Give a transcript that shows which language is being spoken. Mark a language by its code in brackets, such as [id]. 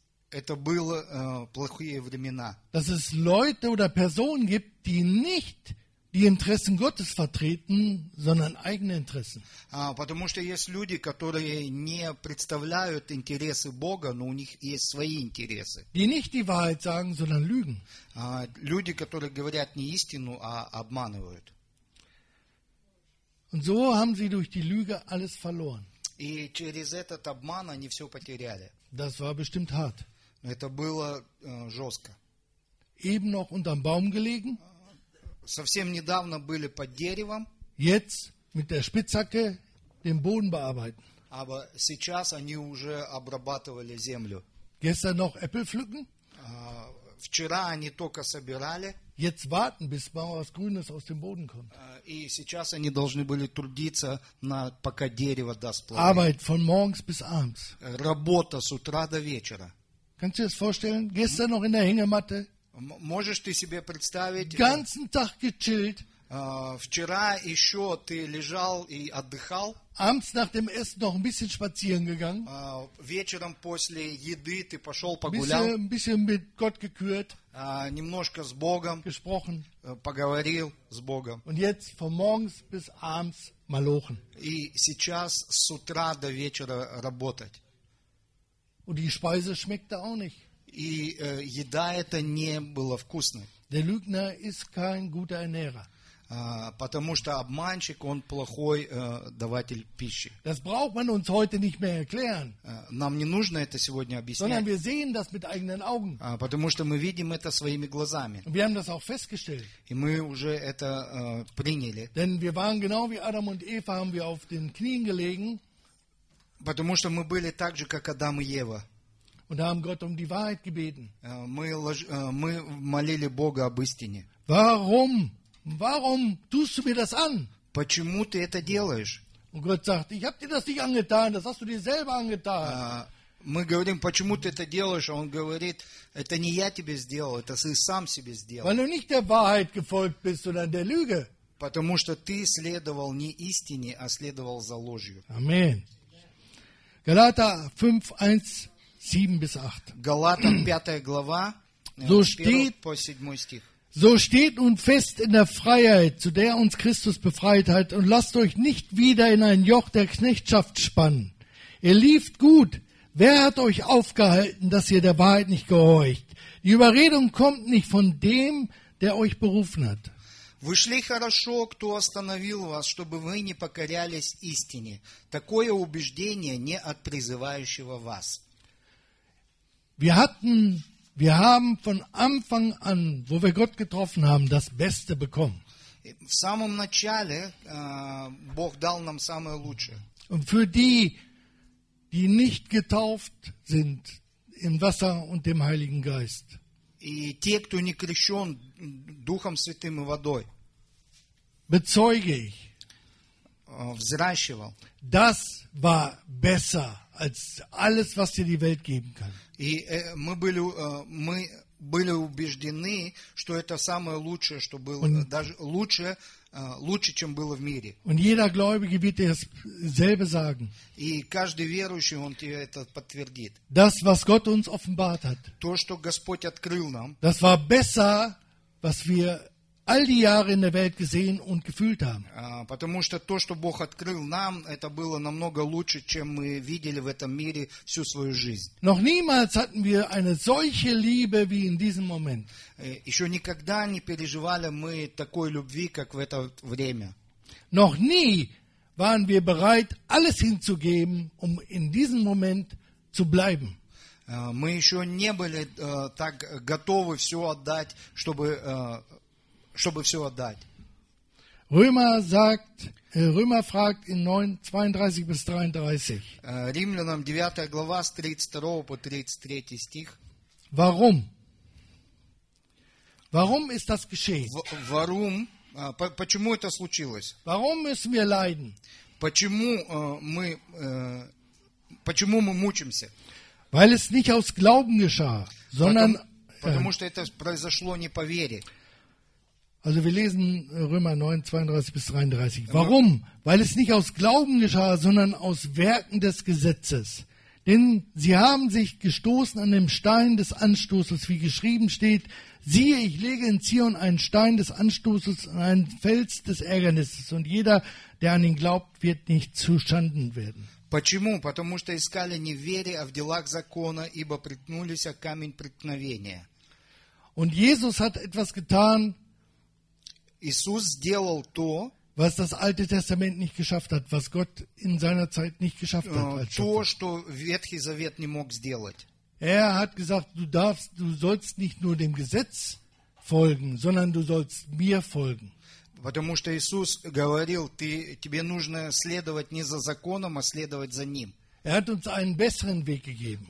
[ru] Это были плохие времена. [de] Dass es Leute oder Personen gibt, die nicht die Interessen Gottes vertreten, sondern eigene Interessen. [ru] Потому что есть люди, которые не представляют интересы Бога, но у них есть свои интересы. [de] Die nicht die Wahrheit sagen, sondern lügen. [ru] Люди, которые говорят не истину, а обманывают. [de] Und so haben sie durch die Lüge alles verloren. [ru] И через этот обман они все потеряли. [de] Das war bestimmt hart. [ru] Но это было жестко. [de] Eben noch unterm Baum gelegen. [ru] Совсем недавно были под деревом. [de] Jetzt mit der Spitzhacke den Boden bearbeiten. Aber [ru] сейчас они уже обрабатывали землю. [de] Gestern noch Äpfel pflücken. [ru] Вчера они только собирали. [de] Jetzt warten, bis mal was Grünes aus dem Boden kommt. [ru] И сейчас они должны были трудиться, пока дерево даст плоды. [de] Arbeit von morgens bis abends. [ru] Работа с утра до вечера. [de] Kannst du dir das vorstellen? Gestern noch in der Hängematte. [ru] Можешь ты себе представить? [de] Ganzen Tag gechillt. [ru] Вчера еще ты лежал и отдыхал. [de] Abends nach dem Essen noch ein bisschen spazieren gegangen. [ru] Вечером после еды ты пошел погулял. [de] Ein bisschen mit Gott gekürt. [ru] Немножко с Богом. [de] Gesprochen. [ru] Поговорил с Богом. [de] Und jetzt von morgens bis abends malochen. [ru] И сейчас с утра до вечера работать. [de] Und die Speise schmeckte auch nicht. [ru] И еда эта не была вкусной. [de] Der Lügner ist kein guter Ernährer. [ru] Потому что обманщик, он плохой даватель пищи. [de] Das braucht man uns heute nicht mehr erklären. [ru] Нам не нужно это сегодня объяснять. [de] Sondern wir sehen das mit eigenen Augen. [ru] Потому что мы видим это своими глазами. [de] Und wir haben das auch festgestellt. [ru] И мы уже это приняли. [de] Denn wir waren genau wie Adam und Eva, haben wir auf den Knien gelegen. [ru] Потому что мы были так же, как Адам и Ева. [de] Und haben Gott um die Wahrheit gebeten. [ru] Мы молили Бога об истине. [de] Warum? Warum tust du mir das an? [ru] Почему ты это делаешь? [de] Und Gott sagt, ich habe dir das nicht angetan, das hast du dir selber angetan. [ru] Мы говорим, почему ты это делаешь? А он говорит, это не я тебе сделал, это ты сам себе сделал. [de] Weil du nicht der Wahrheit gefolgt bist, sondern der Lüge. [ru] Потому что ты следовал не истине, а следовал за ложью. [de] Amen. Galater 5:1 7-8. [ru] Галатам 5 глава, [de] so steht, [ru] 1 по 7 стих. [de] So steht nun fest in der Freiheit, zu der uns Christus befreit hat, und lasst euch nicht wieder in ein Joch der Knechtschaft spannen. Ihr lieft gut. Wer hat euch aufgehalten, dass ihr der Wahrheit nicht gehorcht? Die Überredung kommt nicht von dem, der euch berufen hat. [ru] Вы шли хорошо, кто остановил вас, чтобы вы не покорялись истине. Такое убеждение не от призывающего вас. [de] Wir haben von Anfang an, wo wir Gott getroffen haben, das Beste bekommen. [ru] В самом начале Бог дал нам самое лучшее. [de] Und für die, die nicht getauft sind im Wasser und dem Heiligen Geist. [ru] И те, кто не крещен Духом Святым и водой. [de] Bezeuge ich. [ru] Взращивал. [de] Das war besser als alles, was dir die Welt geben kann. [ru] И мы были убеждены, что это самое лучшее, что было, даже лучше, чем было в мире. [de] Und jeder Gläubige wird dir dasselbe sagen. [ru] И каждый верующий, он тебе это подтвердит. [de] Das, was Gott uns offenbart hat. [ru] То, что Господь открыл нам. [de] Das war besser, was wir all die Jahre in der Welt gesehen und gefühlt haben. [ru] Потому что то, что Бог открыл нам, это было намного лучше, чем мы видели в этом мире всю свою жизнь. [de] Noch niemals hatten wir eine solche Liebe wie in diesem Moment. [ru] Еще никогда не переживали мы такой любви, как в это время. [de] Noch nie waren wir bereit, alles hinzugeben, um in diesem Moment zu bleiben. [ru] Мы еще не были так готовы все отдать, чтобы все отдать. [de] Römer fragt in 9:32 bis 33. [ru] Римлянам 9 глава с 32 по 33 стих. [de] Warum? Warum ist das geschehen? Warum? [ru] Почему это случилось? [de] Warum müssen wir leiden? [ru] Почему мы мучимся? [de] Weil es nicht aus Glauben geschah, sondern [ru] потому что это произошло не по вере. [de] Also wir lesen Römer 9, 32 bis 33. Warum? Weil es nicht aus Glauben geschah, sondern aus Werken des Gesetzes. Denn sie haben sich gestoßen an dem Stein des Anstoßes, wie geschrieben steht, siehe, ich lege in Zion einen Stein des Anstoßes und einen Fels des Ärgernisses, und jeder, der an ihn glaubt, wird nicht zuschanden werden. [ru] Почему? Потому что искали не в вере, а в делах закона, ибо преткнулись о камень преткновения. [de] Und Jesus hat etwas getan, [ru] Иисус сделал то, [de] was das Alte Testament nicht geschafft hat, was Gott in seiner Zeit nicht geschafft hat. Als [ru] то, [de] Schöpfer. [ru] Что Ветхий Завет не мог сделать. [de] Er hat gesagt, du sollst nicht nur dem Gesetz folgen, sondern du sollst mir folgen. [ru] Потому что Иисус говорил, тебе нужно следовать не за законом, а следовать за ним. [de] Er hat uns einen besseren Weg gegeben.